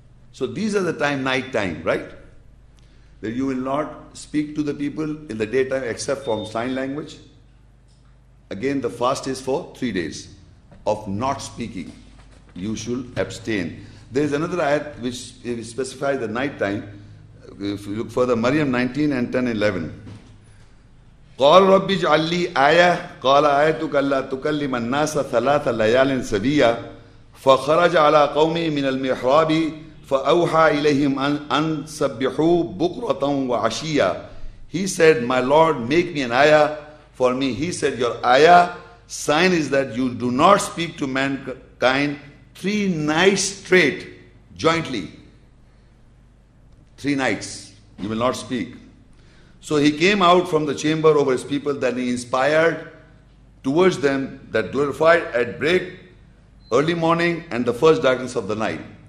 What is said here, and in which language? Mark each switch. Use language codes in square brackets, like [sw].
[en] So these are the time, night time, right? That you will not speak to the people in the daytime except from sign language. Again, the fast is for 3 days of not speaking. You should abstain. There is another ayat which specifies the night time. If you look further, Maryam 19 and 10 and 11. [ar] قال رب اجعل لي آية قال آيتك ألا تكلم الناس ثلاث ليال سبيا فخرج على قومي من المحراب فأوحى إليهم أن سبحوا بكرة وعشيا. [en] He said, my Lord, make me an ayah for me. He said, your ayah sign is that you do not speak to mankind three nights straight, jointly. Three nights, you will not speak. So he came out from the chamber over his people, then he inspired towards them that glorified at break, early morning, and the first darkness of the night.